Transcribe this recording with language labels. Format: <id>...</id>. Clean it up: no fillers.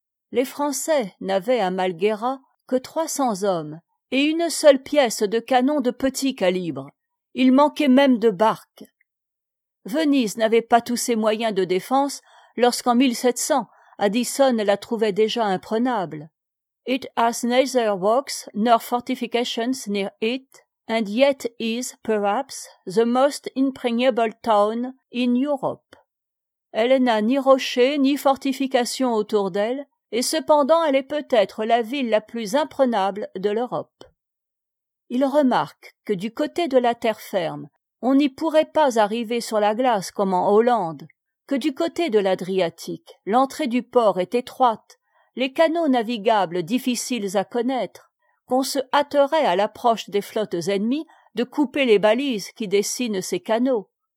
<fr>Les Français n'avaient à Malguéra que 300 hommes et une seule pièce de canon de petit calibre. Il manquait même de barques. Venise n'avait pas tous ses moyens de défense lorsqu'en 1700, Addison la trouvait déjà imprenable.</fr> <en>It has neither works nor fortifications near it, and yet is, perhaps, the most impregnable town in Europe.</en> <fr>Elle n'a ni rochers ni fortifications autour d'elle, et cependant elle est peut-être la ville la plus imprenable de l'Europe. Il remarque que du côté de la terre ferme, on n'y pourrait pas arriver sur la glace comme en Hollande, que du côté de l'Adriatique, l'entrée du port est étroite, les canaux navigables difficiles à connaître, qu'on se hâterait à l'approche des flottes ennemies de couper les balises qui dessinent ces canaux.</fr>